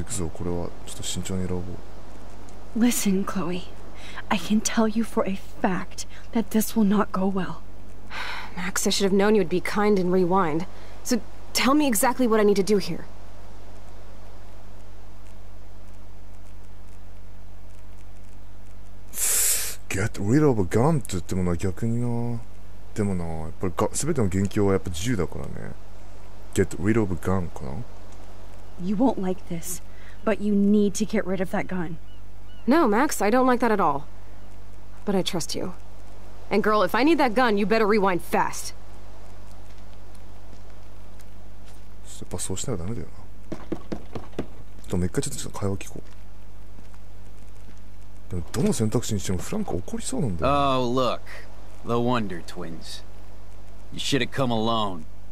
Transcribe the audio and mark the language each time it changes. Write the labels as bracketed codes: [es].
[ja] すごい重いんだけど、この気持ち。俺のさっきの会話の選択肢はちょっと、もうちょっと慎重に選べばよかったか。お金も渡したから、まあそれなりに定期券になるだろうと思って、そんなに気を使う必要はないかなと思って選択肢だけど。行くぞ行くぞ、これはちょっと慎重に選ぼう。Listen, [en] Chloe. I can tell you for a fact that this will not go well. Max, I should have known you would be kind and rewind. So tell me exactly what I need to do here. Get rid of a gun [ja] って言ってもな、逆にな。でもな、やっぱり全ての元凶はやっぱ銃だからね。 [en] Get rid of a gun かな? You won't like this, but you need to get rid of that gun. No, Max, I don't like that at all. But I trust you. And girl, if I need that gun, you better rewind fast. [ja] やっぱそうしたらダメだよな。でも一回ちょっと会話聞こう。でもどの選択肢にしてもフランク怒りそうなんだよ。 [en] Oh, look. The Wonder Twins. You should have come alone.